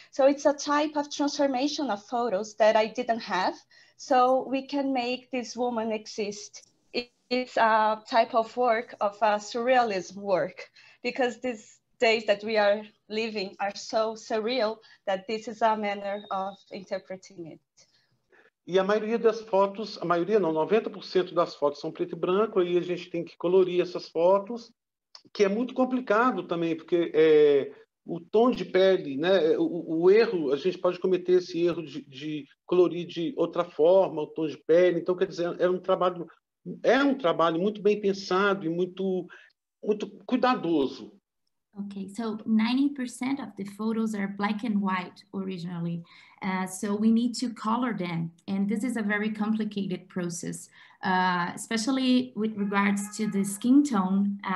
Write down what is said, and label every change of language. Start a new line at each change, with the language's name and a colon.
English: So it's a type of transformation of photos that I didn't have. So we can make this woman exist. It's a type of work of a surrealism work, because these days that we are living are so surreal that this is a manner of interpreting it.
Portuguese: E a maioria das fotos, 90% das fotos são preto e branco, aí a gente tem que colorir essas fotos, que é muito complicado também, porque o tom de pele, né, o erro, a gente pode cometer esse erro de colorir de outra forma o tom de pele. Então, quer dizer, é um trabalho muito bem pensado e muito, muito cuidadoso.
English: Okay, so 90% of the photos are black and white originally. So we need to color them. And this is a very complicated process, especially with regards to the skin tone.